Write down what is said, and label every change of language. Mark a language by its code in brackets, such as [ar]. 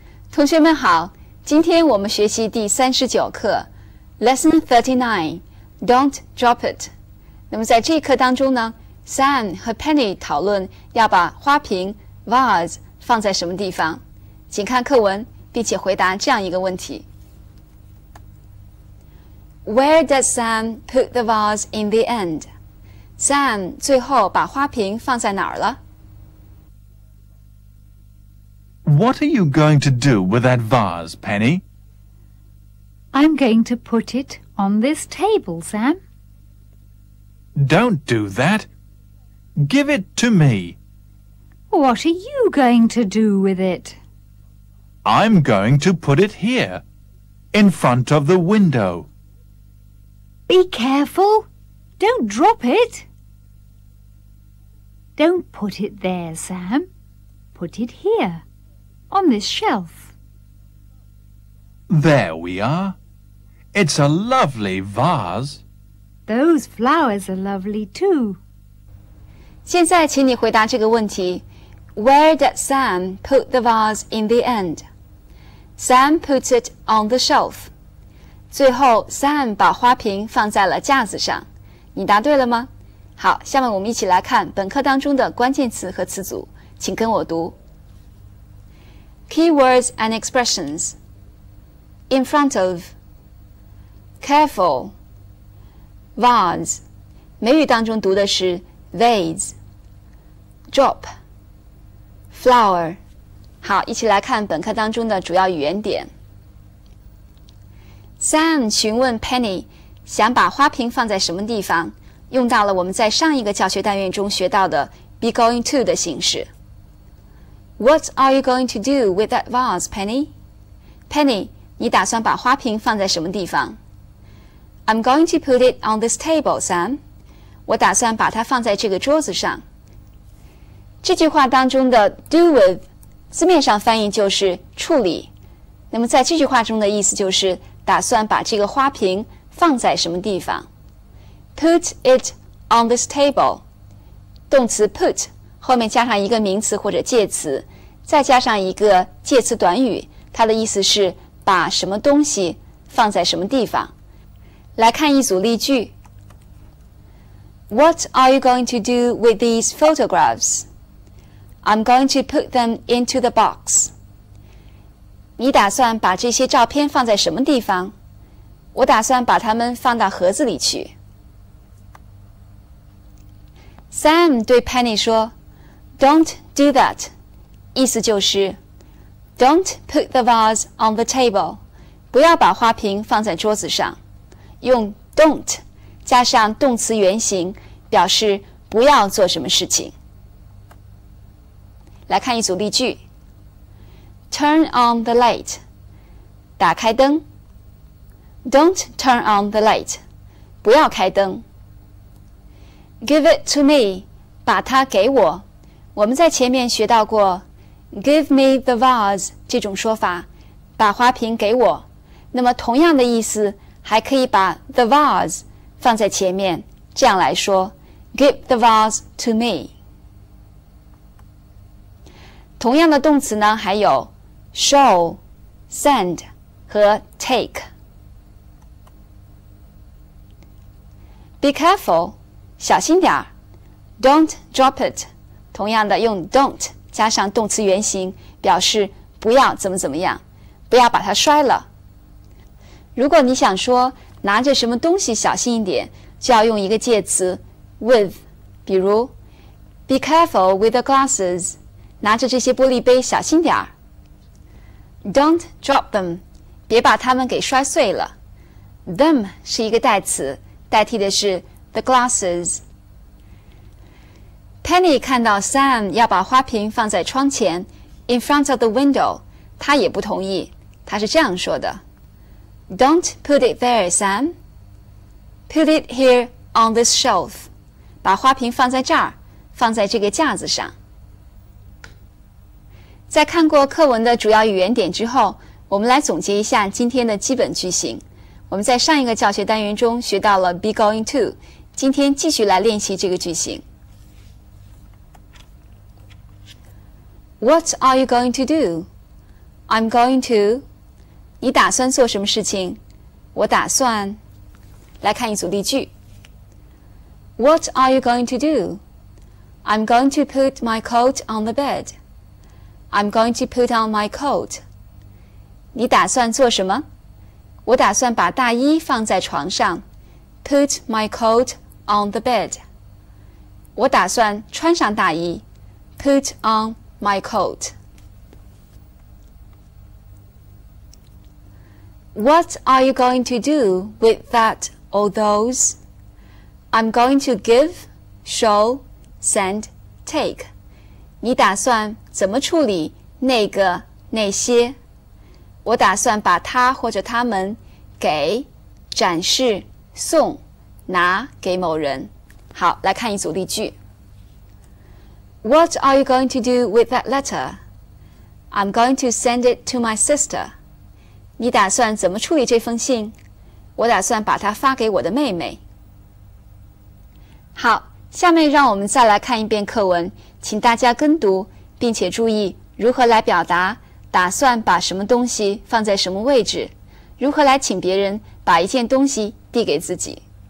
[zh] 同学们好，今天我们学习第39课 [en] Lesson 39 Don't Drop It。 [zh] 那么在这一课当中呢， Sam 和 Penny 讨论要把花瓶 Vase 放在什么地方，请看课文并且回答这样一个问题。 [en] Where does Sam put the vase in the end? [zh] Sam 最后把花瓶放在哪儿了？ [en] What are you going to do with that vase, Penny? I'm going to put it on this table, Sam. Don't do that. Give it to me. What are you going to do with it? I'm going to put it here, in front of the window. Be careful. Don't drop it. Don't put it there, Sam. Put it here. On this shelf. There we are. It's a lovely vase. Those flowers are lovely too. [zh] 现在请你回答这个问题。 [en] Where did Sam put the vase in the end? Sam puts it on the shelf. [zh] 最后 Sam 把花瓶放在了架子上。你答对了吗？好，下面我们一起来看本课当中的关键词和词组，请跟我读。 [en] Keywords and expressions. In front of. Careful. Vase. [zh] 美语当中读的是 vase. [en] Drop. Flower. [zh] 好，一起来看本课当中的主要语言点。 Sam 询问 Penny 想把花瓶放在什么地方，用到了我们在上一个教学单元中学到的 be going to 的形式。 [en] What are you going to do with that vase, Penny? [zh] Penny, 你打算把花瓶放在什么地方? [en] I'm going to put it on this table, Sam. [zh] 我打算把它放在这个桌子上。这句话当中的 do with, 字面上翻译就是处理。那么在这句话中的意思就是打算把这个花瓶放在什么地方。 [en] Put it on this table. 动词 put. [zh] 后面加上一个名词或者介词，再加上一个介词短语，它的意思是把什么东西放在什么地方。来看一组例句。 [en] What are you going to do with these photographs? I'm going to put them into the box. [zh] 你打算把这些照片放在什么地方？我打算把它们放到盒子里去。 Sam 对 Penny 说， [en] Don't do that. [zh] 意思就是 [en] Don't put the vase on the table. [zh] 不要把花瓶放在桌子上。用 don't 加上动词原形表示不要做什么事情。来看一组例句。 [en] Turn on the light. [zh] 打开灯。 [en] Don't turn on the light. [zh] 不要开灯。 [en] Give it to me. [zh] 把它给我。我们在前面学到过 [en] give me the vase [zh] 这种说法，把花瓶给我。那么同样的意思还可以把 the vase 放在前面，这样来说 [en] give the vase to me。 [zh] 同样的动词呢还有 show, send 和 take。 [en] Be careful, [zh] 小心点， [en] Don't drop it。 [zh] 同样的用 don't 加上动词原形表示不要怎么怎么样，不要把它摔了。如果你想说拿着什么东西小心一点，就要用一个介词 with， 比如 [en] be careful with the glasses， [zh] 拿着这些玻璃杯小心点儿。 [en] don't drop them， [zh] 别把它们给摔碎了。 them 是一个代词，代替的是 the glasses。 Penny 看到 Sam 要把花瓶放在窗前 [en] in front of the window， [zh] 他也不同意，他是这样说的。 [en] Don't put it there, Sam. Put it here on this shelf. [zh] 把花瓶放在这儿，放在这个架子上。在看过课文的主要语言点之后，我们来总结一下今天的基本句型。我们在上一个教学单元中学到了 be going to， 今天继续来练习这个句型。 [en] What are you going to do? I'm going to. [zh] 你打算做什么事情？我打算。来看一组例句。 [en] What are you going to do? I'm going to put my coat on the bed. I'm going to put on my coat. [zh] 你打算做什么？我打算把大衣放在床上。 [en] Put my coat on the bed. [zh] 我打算穿上大衣。 [en] Put on my coat. What are you going to do with that or those? I'm going to give, show, send, take. [zh] 你打算怎么处理那个那些？我打算把他或者他们给展示送拿给某人。好，来看一组例句。 [en] What are you going to do with that letter? I'm going to send it to my sister. [zh] 你打算怎么处理这封信？我打算把它发给我的妹妹。好，下面让我们再来看一遍课文，请大家跟读，并且注意如何来表达打算把什么东西放在什么位置，如何来请别人把一件东西递给自己。